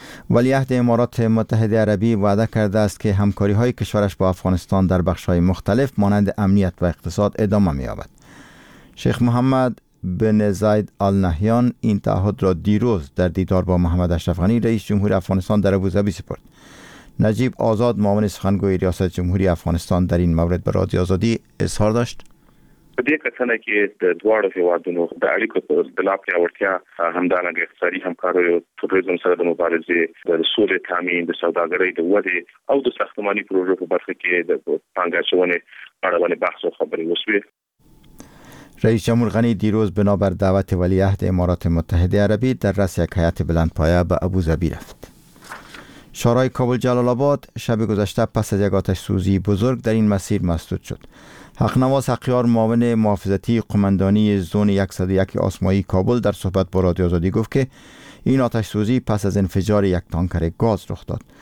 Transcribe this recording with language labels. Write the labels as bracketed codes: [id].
[fa] ولیعهد امارات متحده عربی وعده کرده است که همکاری های کشورش با افغانستان در بخش های مختلف مانند امنیت و اقتصاد ادامه می یابد. شیخ محمد بن زاید آل نهیان این تعهد را دیروز در دیدار با محمد اشرف غنی رئیس جمهور افغانستان در ابوظبی سپرد. نجیب آزاد معاون سخنگوی ریاست جمهوری افغانستان در این مورد به رادیو آزادی اظهار داشت: [ps] په دې کتنه کې د دواړو هیوادونو د اړیکو په لا پیاوړتیا، همدارنګه اقتصادي همکاریو، توریزم سره د مبارزې، د سولې تامین، د سوداګرۍ د ودې او د ساختماني پروژو په برخه کې د پانګه اچونې اړه باندې بحث او خبرې وشوه. [fa] رئیس جمهور غنی دیروز بنابر دعوت ولیعهد امارات متحده عربی در رأس یک هیئت بلندپایه به ابوظبی رفت. شورای کابل جلال آباد شب گذشته پس از یک آتش سوزی بزرگ در این مسیر مسدود شد. حق نواز حقیار، معاون محافظتی قماندانی زون 101 آسمایی کابل، در صحبت با رادیو آزادی گفت که این آتش سوزی پس از انفجار یک تانکر گاز رخ داد.